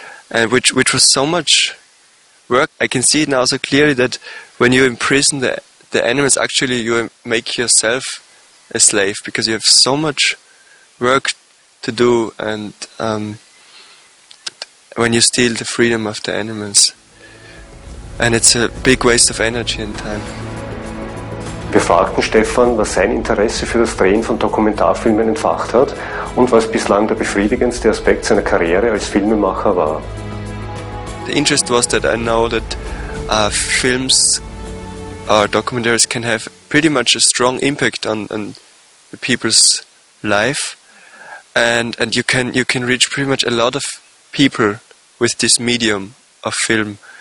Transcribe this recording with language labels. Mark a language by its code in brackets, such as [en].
[en] And which was so much work. I can see it now so clearly that when you imprison the animals, actually you make yourself a slave, because you have so much work to do, and when you steal the freedom of the animals. And it's a big waste of energy and time. [de] Wir fragten Stefan, was sein Interesse für das Drehen von Dokumentarfilmen entfacht hat und was bislang der befriedigendste Aspekt seiner Karriere als Filmemacher war. [en] The interest was that I know that films or documentaries can have pretty much a strong impact on the people's life, and you can reach pretty much a lot of people with this medium of film.